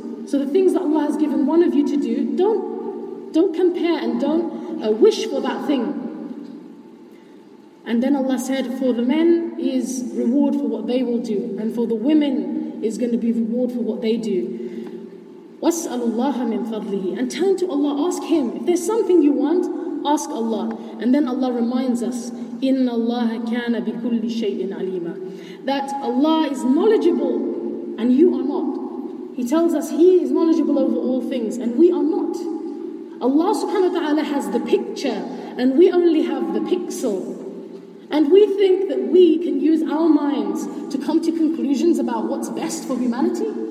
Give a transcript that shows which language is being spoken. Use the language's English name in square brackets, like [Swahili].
[English] So the things that Allah has given one of you to do, don't compare and don't wish for that thing. And then Allah said, for the men is reward for what they will do, and for the women is going to be reward for what they do. [Arabic] وَاسْأَلُ اللَّهَ مِنْ فَضْلِهِ. [English] And turn to Allah, ask Him. If there's something you want, ask Allah. And then Allah reminds us, [Arabic] إِنَّ اللَّهَ كَانَ بِكُلِّ شَيْءٍ عَلِيمًا. [English] That Allah is knowledgeable and you are not. He tells us He is knowledgeable over all things and we are not. Allah subhanahu wa ta'ala has the picture and we only have the pixel. And we think that we can use our minds to come to conclusions about what's best for humanity?